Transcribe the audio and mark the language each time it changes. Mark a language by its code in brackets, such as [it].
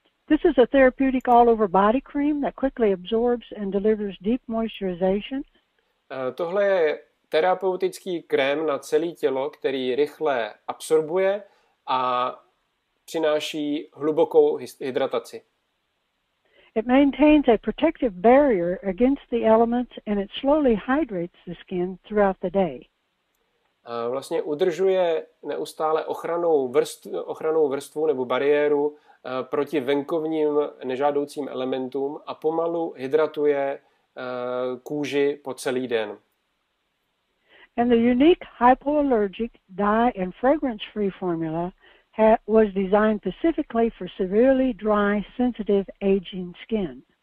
[en] This is a therapeutic all-over body cream that quickly absorbs and delivers deep moisturization. [cs] Tohle je terapeutický krém na celé tělo, který rychle absorbuje a přináší hlubokou hydrataci. [en] It maintains a protective barrier against the elements and it slowly hydrates the skin throughout the day. [cs] A vlastně udržuje neustále ochrannou vrstvu nebo bariéru proti venkovním nežádoucím elementům a pomalu hydratuje kůži po celý den. [en] And the unique hypoallergenic dye and fragrance free formula was designed specifically for severely dry, sensitive, aging skin.